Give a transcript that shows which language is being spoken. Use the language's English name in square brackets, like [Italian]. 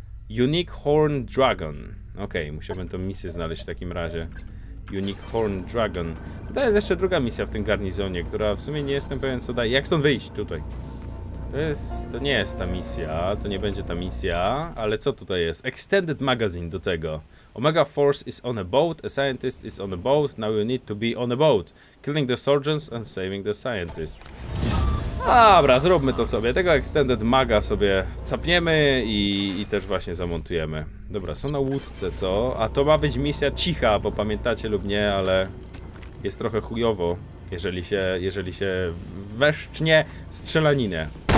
[Polish] Unique Horn Dragon. Okej, okay, musiałbym tą misję znaleźć w takim razie. Unique Horn Dragon. To jest jeszcze druga misja w tym garnizonie, która w sumie nie jestem pewien, co daje. Jak stąd wyjść? Tutaj. To nie jest ta misja, to nie będzie ta misja, ale co tutaj jest? Extended magazine do tego. [English] Omega Force is on a boat, a scientist is on a boat, now you need to be on a boat. Killing the surgeons and saving the scientists. [Polish] Dobra, zróbmy to sobie. Tego Extended Maga sobie capniemy i też właśnie zamontujemy. Dobra, są na łódce, co? A to ma być misja cicha, bo pamiętacie lub nie, ale jest trochę chujowo, jeżeli się weszcznie strzelaninę.